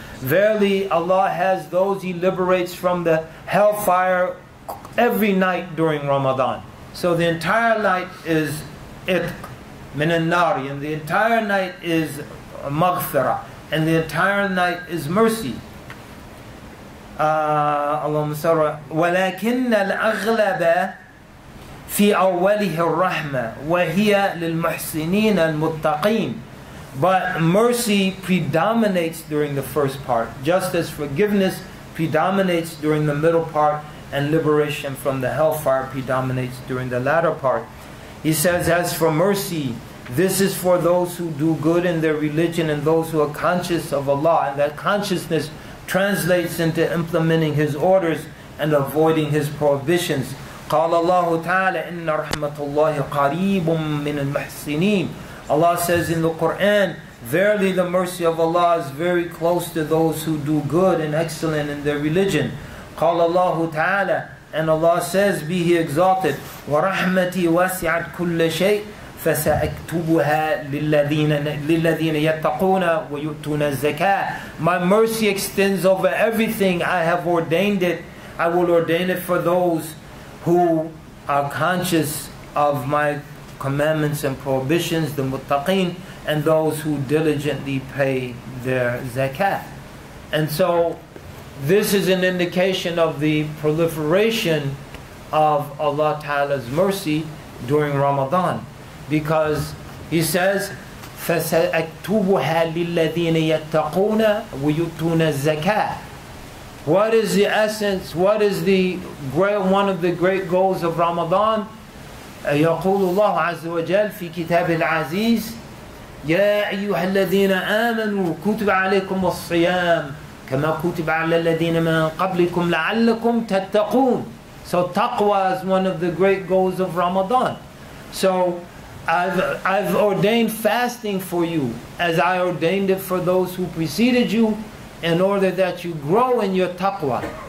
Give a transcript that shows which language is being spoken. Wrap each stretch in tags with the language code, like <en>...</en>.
<en>Verily, Allah has those He liberates from the hellfire every night during Ramadan. So the entire night is</en> <ar>itq min al-nari,</ar> <en>and the entire night is maghfira, and the entire night is mercy.</en> <ar>Allahumma sara. ولكن الأغلب في أوله الرحمة وهي للمحسنين المتقين.</ar> <en>But mercy predominates during the first part, just as forgiveness predominates during the middle part, and liberation from the hellfire predominates during the latter part. He says, as for mercy, this is for those who do good in their religion and those who are conscious of Allah, and that consciousness translates into implementing His orders and avoiding His prohibitions.</en> <ar>قال الله تعالى إن رحمة الله قريب من المحسنين.</ar> <en>Allah says in the Quran, verily the mercy of Allah is very close to those who do good and excellent in their religion.</en> <ar>قال الله تعالى,</ar> <en>and Allah says, be He exalted,</en> <ar>ورحمتي وسعت كل شيء فسأكتبها للذين يتقون ويؤتون الزكاة.</ar> <en>My mercy extends over everything. I have ordained it. I will ordain it for those who are conscious of my commandments and prohibitions, the muttaqin, and those who diligently pay their zakat. And so this is an indication of the proliferation of Allah Ta'ala's mercy during Ramadan, because He says,</en> <ar>فَسَأَكْتُوبُهَا لِلَّذِينَ يَتَّقُونَ وَيُتُونَ الزَّكَاةِ.</ar> <en>What is the essence? What is the great, one of the great goals of Ramadan?</en> <ar>يقول الله عز وجل في كتاب العزيز يا أيها الذين آمنوا كتب عليكم الصيام كما كتب على الذين من قبلكم لعلكم تتقون.</ar> <en>So taqwa is one of the great goals of Ramadan. So I've ordained fasting for you as I ordained it for those who preceded you, in order that you grow in your taqwa.</en>